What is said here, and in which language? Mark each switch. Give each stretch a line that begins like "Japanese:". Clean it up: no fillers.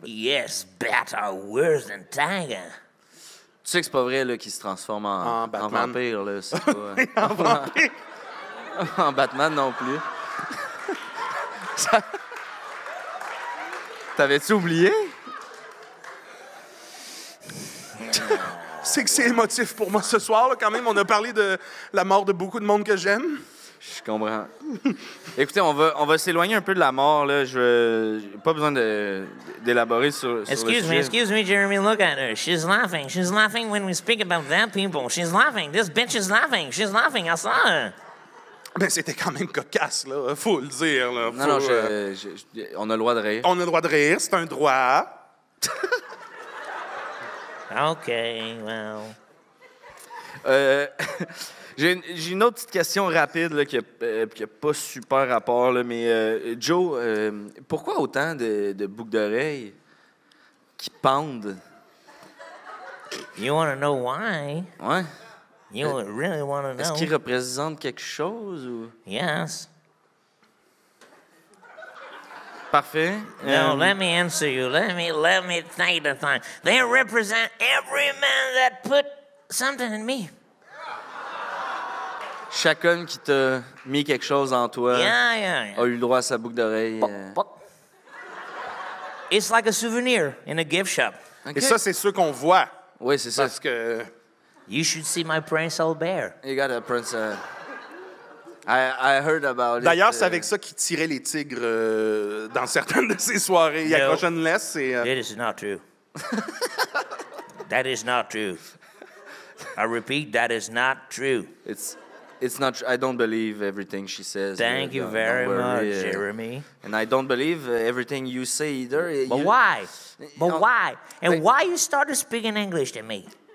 English: Yes, bats are worse than tiger.
French: Tu sais que c'est pas vrai là, qu'ils se transforment en vampire. Là, c'est pas... en vampire? En Batman non plus. Ça... T'avais-tu oublié? C'est que c'est émotif pour moi ce soir, là, quand même. On a parlé de la mort de beaucoup de monde que j'aime. Je comprends. Écoutez, on va s'éloigner un peu de la mort. Là. Je n'ai pas besoin d'élaborer sur le sujet.
English: Excuse me, Jeremy, look at her. She's laughing. She's laughing when we speak about that people. She's laughing. This bitch is laughing. She's laughing. I saw her.
French: Mais c'était quand même cocasse, là. Faut le dire, là. Non, on a le droit de rire. On a le droit de rire. C'est un droit.
English: OK, well.
French: J'ai une autre petite question rapide là, qui n'a pas super rapport, là, mais Joe, pourquoi autant de boucles d'oreilles qui pendent?
English: You want to know why?
French: Ouais.
English: You really want to know.
French: Est-ce qu'ils représentent quelque chose? Ou?
English: Yes.
French: Parfait.
English: No, let me answer you. Let me take the time. They represent every man that put something in me.
French: Chaque homme qui t'a mis quelque chose en toi
English: yeah.
French: a eu le droit à sa boucle d'oreille. Pop.
English: It's like a souvenir in a gift shop.
French: Okay. Et ça, c'est ceux qu'on voit. Oui, c'est ça. Parce que...
English: You should see my Prince Albert. You got a Prince Albert. I heard about it.
French: D'ailleurs, c'est avec ça qu'il tirait les tigres dans certaines de ses soirées. Il accrochait une laisse et...
English: That is not true. That is not true. I repeat, that is not true. It's not true. I don't believe everything she says. Thank you very much, Jeremy. And I don't believe everything you say either. But why? But why? And why you started speaking English to me?